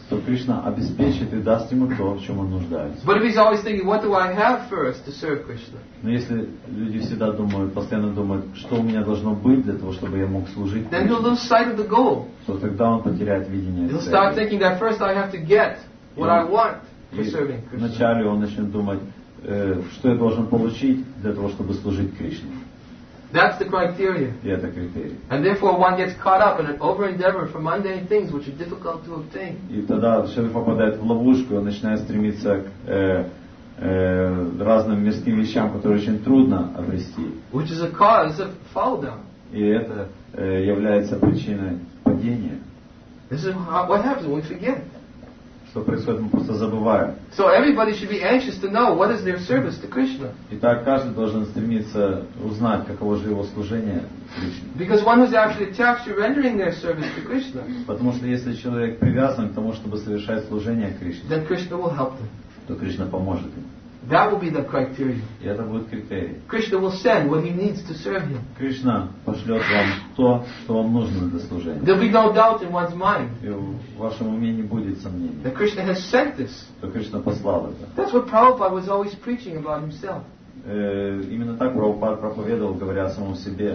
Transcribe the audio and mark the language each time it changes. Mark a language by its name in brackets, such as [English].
[Russian] То Кришна обеспечит и даст ему то, в чем он нуждается. [English] But if he's always thinking, what do I have first to serve Krishna? [Russian] Но если люди всегда думают, постоянно думают, что у меня должно быть для того, чтобы я мог служить, [English] then he'll lose sight of the goal. [Russian] То тогда он потеряет видение. [English] He'll start thinking that first I have to get what I want for serving Krishna. [Russian] Вначале он начнет думать, что я должен получить для того, чтобы служить Кришне. [English] That's the criteria. [Russian] И это критерий. [English] And therefore one gets caught up in an over-endeavor for mundane things which are difficult to obtain. [Russian] И тогда человек попадает в ловушку, он начинает стремиться к разным мирским вещам, которые очень трудно обрести. [English] Which is a cause of fall down. [Russian] И это является причиной падения. [English] This is what happens when we forget. [Russian] Что происходит, мы просто забываем. [English] So everybody should be anxious to know what is their service to Krishna. [Russian] Итак, каждый должен стремиться узнать, каково же его служение Кришне. [English] Because one who is actually attached to rendering their service to Krishna. [Russian] Потому что если человек привязан к тому, чтобы совершать служение Кришне, [English] then Krishna will help them. [Russian] То Кришна поможет им. [English] That will be the criteria. [Russian] И это будет критерий. [English] Krishna will send what he needs to serve him. [Russian] Кришна пошлет вам то, что вам нужно для служения. [English] There will be no doubt in one's mind. [Russian] И в вашем уме не будет сомнений. [English] That Krishna has sent this. [Russian] То Кришна послал это. [English] That's what Prabhupada was always preaching about himself. [Russian] Именно так Прабхупад проповедовал, говоря о самом себе.